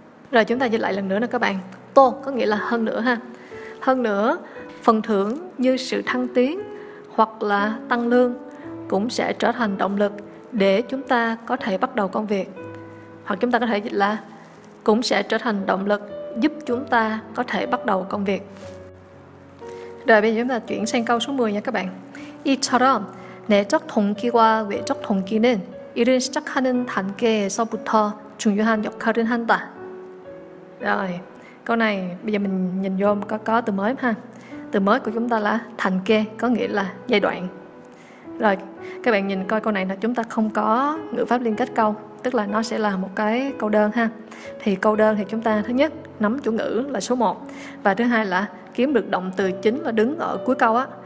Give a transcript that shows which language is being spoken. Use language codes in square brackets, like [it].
[vi] Rồi chúng ta dịch lại lần nữa nè các bạn. To có nghĩa là hơn nữa ha. Hơn nữa, phần thưởng như sự thăng tiến hoặc là tăng lương cũng sẽ trở thành động lực để chúng ta có thể bắt đầu công việc. Hoặc chúng ta có thể dịch là cũng sẽ trở thành động lực giúp chúng ta có thể bắt đầu công việc. Rồi bây giờ chúng ta chuyển sang câu số 10 nha các bạn. [ko] 이처럼 내적 동기와 외적 동기는 일을 시작하는 단계에서부터 중요한 역할을 한다. [vi] Rồi, câu này bây giờ mình nhìn vô có từ mới ha. Từ mới của chúng ta là thành kê, có nghĩa là giai đoạn. Rồi, các bạn nhìn coi câu này là chúng ta không có ngữ pháp liên kết câu, tức là nó sẽ là một cái câu đơn ha. Thì câu đơn thì chúng ta thứ nhất nắm chủ ngữ là số 1, và thứ hai là kiếm được động từ chính là đứng ở cuối câu á.